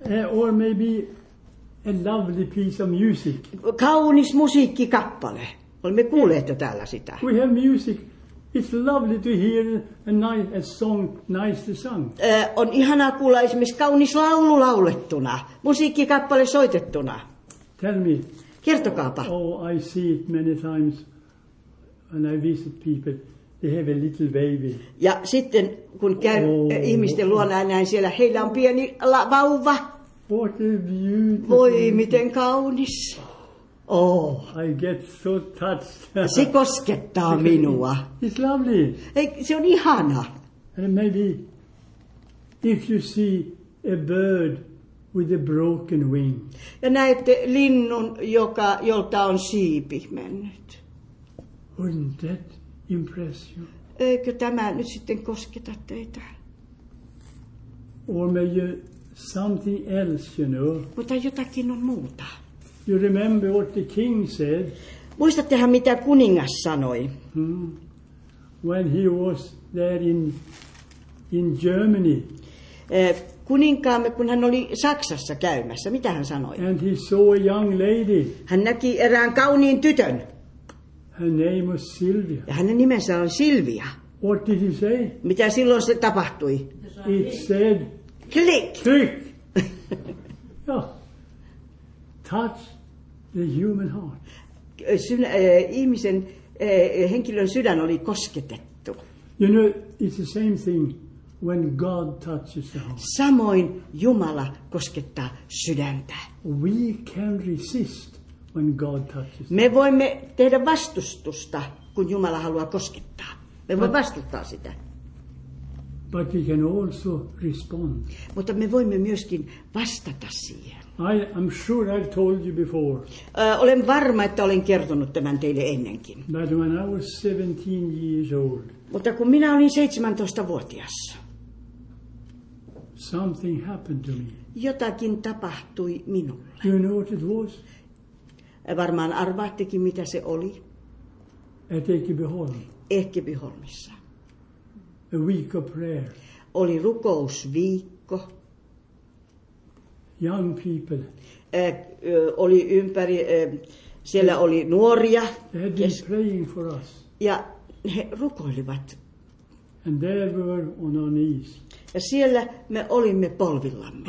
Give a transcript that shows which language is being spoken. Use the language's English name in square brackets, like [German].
[English] Or maybe a lovely piece of music. [Finnish] Kaunis musiikkikappale. Olemme kuulleet jo täällä sitä. [English] We have music. It's lovely to hear a song nicely sung. [Finnish] On ihanaa kuulla esimerkiksi kaunis laulu laulettuna, musiikkikappale soitettuna. [English] Tell me. [Finnish] Kertokaapa. [English] Oh, I see it many times when I visit people. They have a little baby. [Finnish] Ja sitten kun käy ihmisten luona näin siellä, heillä on pieni vauva. [English] What a beautiful. [Finnish] Voi miten kaunis. [English] Oh, I get so touched. [Finnish] Se koskettaa minua. [English] It's lovely. [Finnish] Se on ihana. [English] And maybe if you see a bird with a broken wing. [Finnish] Ja näette linnun, jolta on siipi mennyt. [English] Wouldn't that impress you? [Finnish] Eikö tämä nyt sitten kosketa teitä? [English] Or maybe something else, you know. [Finnish] Mutta jotakin on muuta. [English] You remember what the king said? [Finnish] Muistattehan mitä kuningas sanoi? [English] When he was there in Germany. [Finnish] Kuninkaamme, kun hän oli Saksassa käymässä, mitä hän sanoi? [English] And he saw a young lady. [Finnish] Hän näki erään kauniin tytön. [English] Her name was Sylvia. [Finnish] Ja hänen nimensä on Sylvia. [English] What did he say? [Finnish] Mitä silloin se tapahtui? [English] It said click. Click. Touch the human heart. [Finnish] Ihmisen henkilön sydän oli kosketettu. [English] You know, it's the same thing when God touches the heart. [Finnish] Samoin Jumala koskettaa sydäntä. [English] We can resist when God touches. [Finnish] Me voimme tehdä vastustusta, kun Jumala haluaa koskettaa. Me voimme vastustaa sitä. [English] But we can also respond. [Finnish] Mutta me voimme myöskin vastata siihen. [English] I am sure I've told you before. [Finnish] Olen varma, että olen kertonut tämän teille ennenkin. [English] But when I was 17 years old. [Finnish] Mutta kun minä olin 17-vuotias. [English] Something happened to me. [Finnish] Jotakin tapahtui minulle. [English] You know what it was? [Finnish] Varmaan arvaattekin, mitä se oli. [English] At Ekebyholm. [Finnish] Ekebyholmissa. [English] A week of prayer. [Finnish] Oli rukousviikko. [English] Young people. [Finnish] Oli ympäri, siellä they, oli nuoria. [English] They had been praying for us. [Finnish] Ja he rukoilivat. [English] And they were on our knees. [Finnish] Ja siellä me olimme polvillamme.